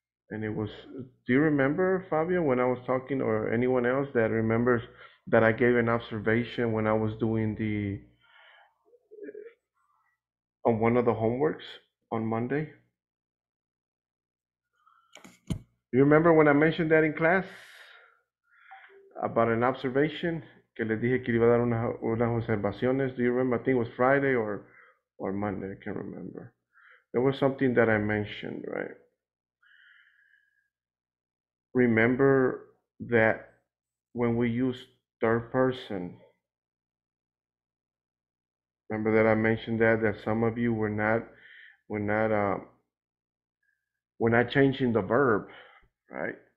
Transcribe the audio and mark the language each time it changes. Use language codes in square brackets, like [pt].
[en] And it was, do you remember, Fabio, when I was talking, or anyone else that remembers that I gave an observation when I was doing the, on one of the homeworks on Monday? You remember when I mentioned that in class about an observation? [es] Que le dije que iba a dar unas observaciones. [en] Do you remember? I think it was Friday or Monday. I can't remember. There was something that I mentioned, right? Remember that when we use third person, remember that I mentioned that some of you were not changing the verb, right?